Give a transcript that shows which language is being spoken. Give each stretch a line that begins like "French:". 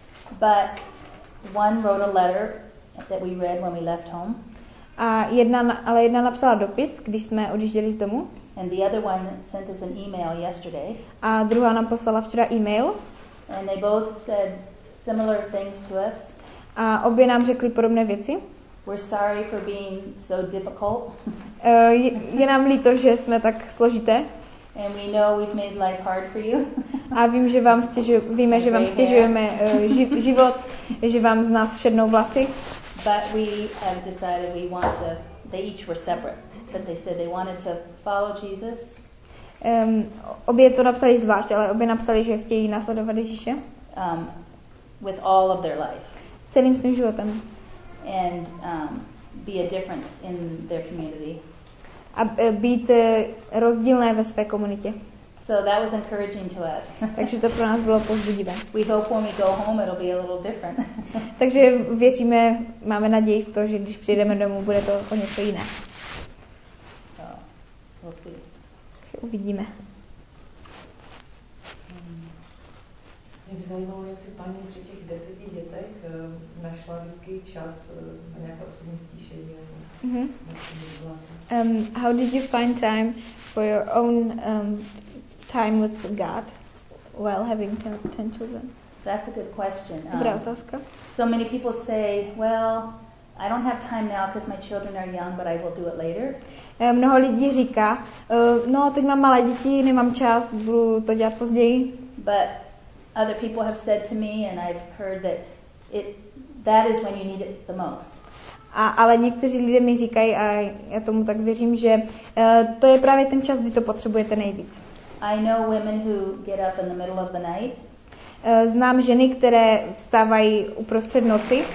English: But one wrote a letter that we read when we left home.
Czech: Ale jedna napsala dopis, když jsme odjížděli z domu.
English: And the other one sent us an email yesterday.
Czech: A druhá nám poslala včera e-mail.
English: And they both said similar things to us.
Czech: A obě nám řekly podobné věci.
English: We're sorry for being so difficult.
Czech: Je nám líto, že jsme tak složité.
English: And we know we've made life hard for you.
Czech: A vím, že vám víme, že vám stěžujeme život, že vám z nás šednou vlasy.
English: But we have decided we want to, they each were separate, but they said they wanted to follow Jesus.
Czech: Obě to napsali zvlášť, ale obě napsali, že chtějí následovat Ježíše.
English: With all of their life.
Czech: Celým svým životem.
English: And be a difference in their community.
Czech: A být rozdílné ve své komunitě.
English: So that was encouraging to us.
Czech: Takže to pro nás bylo povzbudivé.
English: We hope when we go home it'll be a little different.
Czech: Takže věříme, máme naději v to, že když přijdeme domů, bude to o něco jiné.
English: So, we'll see. Takže
Czech: uvidíme. Mě by zajímalo, jak si paní při těch 10 dětech našla vždycky čas na nějaké osobní stišení.
English: How did you find time for your own time with God while having 10 children? That's a good question.
Czech: Dobrá otázka.
English: So many people say, well, I don't have time now because my children are young, but I will do it later.
Czech: Mnoho lidí říká, no, teď mám malé děti, nemám čas, budu to dělat později.
English: But other people have said to me and I've heard that that is when you need it the most.
Czech: A ale někteří lidé mi říkají a já tomu tak věřím, že to je právě ten čas, kdy to potřebujete nejvíc.
English: I know women who get up in the middle of the night.
Czech: Znám ženy, které vstávají uprostřed noci.